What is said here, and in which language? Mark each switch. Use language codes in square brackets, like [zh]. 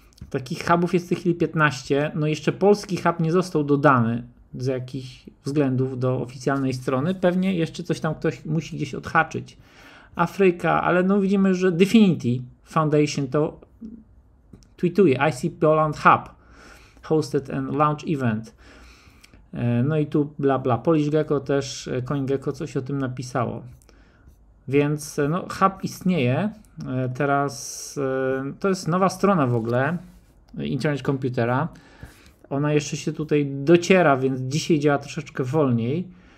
[pl] Takich hubów jest w tej chwili 15. No jeszcze polski hub nie został dodany z jakichś względów do oficjalnej strony. Pewnie jeszcze coś tam ktoś musi gdzieś odhaczyć. Afryka, ale no widzimy, że Definity Foundation to tweetuje. [en] I see Poland hub hosted and launch event. [pl] No i tu bla bla. Polish Gecko też, CoinGecko coś o tym napisało. Więc no, hub istnieje. Teraz to jest nowa strona w ogóle Internet Computera. Ona jeszcze się tutaj dociera, więc dzisiaj działa troszeczkę wolniej.